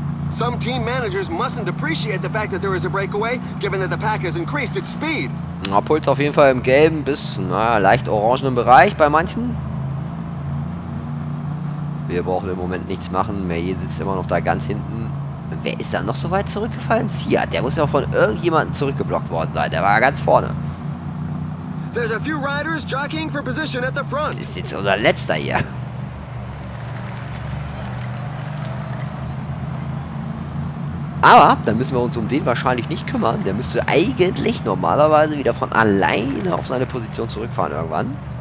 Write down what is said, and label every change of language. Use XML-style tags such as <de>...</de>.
<en>Some team managers mustn't appreciate the fact that there is a breakaway, given that the pack has increased its speed.</en> <de>Na, Puls auf jeden Fall im gelben bis, naja, leicht orangenen Bereich bei manchen. Wir brauchen im Moment nichts machen. Merlier sitzt immer noch da ganz hinten. Wer ist da noch so weit zurückgefallen? Sia, der muss ja von irgendjemandem zurückgeblockt worden sein. Der war ja ganz vorne.</de> <en>There's a few riders jockeying for position at the front.</en> <de>Das ist jetzt unser letzter hier. Aber dann müssen wir uns um den wahrscheinlich nicht kümmern. Der müsste eigentlich normalerweise wieder von alleine auf seine Position zurückfahren irgendwann.</de>